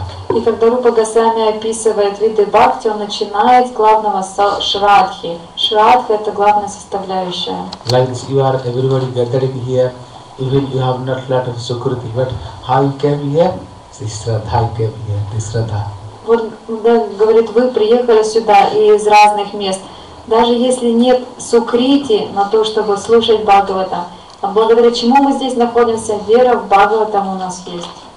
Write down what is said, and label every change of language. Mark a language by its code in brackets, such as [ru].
[ru] И когда Рупа Госвами описывает виды бхакти, он начинает с главного шрадхи. Шрадха — это главная составляющая. [en] Like this, you are everybody gathering here, even you have not lot of sukriti, but how you came here? This shraddha, you came here, this shraddha. [ru] Вот, говорит, вы приехали сюда из разных мест. Даже если нет сукрити на то, чтобы слушать Бхагавата, а благодаря чему мы здесь находимся, вера в Бхагаватам у нас есть.